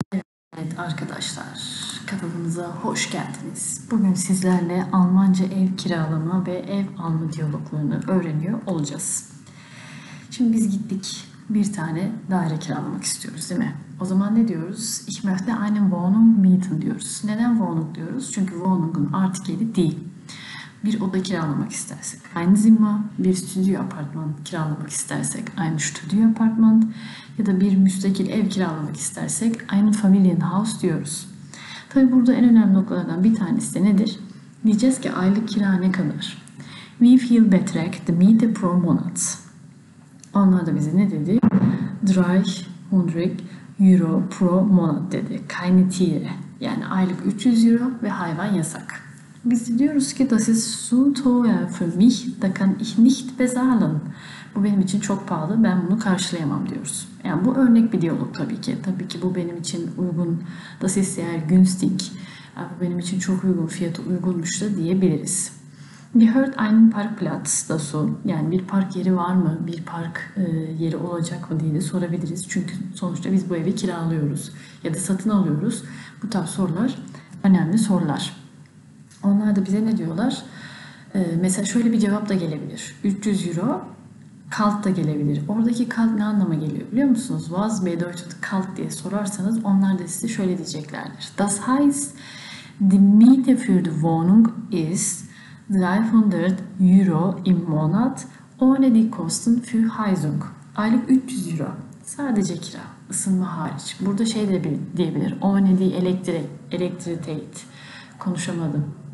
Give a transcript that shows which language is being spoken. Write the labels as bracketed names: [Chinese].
[Turkish] Evet arkadaşlar, kanalımıza hoş geldiniz. Bugün sizlerle Almanca ev kiralama ve ev alma diyaloglarını öğreniyor olacağız. Şimdi biz gittik, bir tane daire kiralamak istiyoruz değil mi? O zaman ne diyoruz? [German] Ich möchte eine Wohnung mieten [Turkish] diyoruz. Neden Wohnung diyoruz? Çünkü Wohnung'un artikeli değil. Bir oda kiralamak istersek [German] ein Zimmer, [Turkish] bir stüdyo apartman kiralamak istersek [German] ein Studio [Turkish] apartman ya da bir müstakil ev kiralamak istersek [German] ein Familienhaus [Turkish] diyoruz. Tabi burada en önemli noktalardan bir tanesi de nedir? Diyeceğiz ki aylık kira ne kadar? [German] Wie viel beträgt die Miete pro Monat? [Turkish] Onlar da bize ne dedi? [German] 300 Euro pro Monat [Turkish] dedi. [German] Keine Tiere. [Turkish] Yani aylık 300 Euro ve hayvan yasak. Biz de diyoruz ki [German] das ist zu teuer für mich, da kann ich nicht bezahlen. [Turkish] Bu benim için çok pahalı, ben bunu karşılayamam diyoruz. Yani bu örnek bir diyalog tabii ki. Tabii ki bu benim için uygun, [German] das ist sehr günstig. [Turkish] Bu benim için çok uygun, fiyatı uygunmuş da diyebiliriz. [German] Gehört einen Parkplatz dazu? [Turkish] Yani bir park yeri var mı, bir park yeri olacak mı diye de sorabiliriz. Çünkü sonuçta biz bu evi kiralıyoruz ya da satın alıyoruz. Bu tarz sorular önemli sorular. Onlar da bize ne diyorlar? Mesela şöyle bir cevap da gelebilir. 300 euro kalt da gelebilir. Oradaki kalt ne anlama geliyor biliyor musunuz? [German] Was bedeutet kalt [Turkish] diye sorarsanız onlar da size şöyle diyeceklerdir. [German] Das heißt, die Miete für die Wohnung ist 300 euro im Monat ohne die Kosten für Heizung. [Turkish] Aylık 300 euro. Sadece kira, ısınma hariç. Burada şey de diyebilir. [German] Ohne die Elektrizität. [Turkish] Konuşamadım.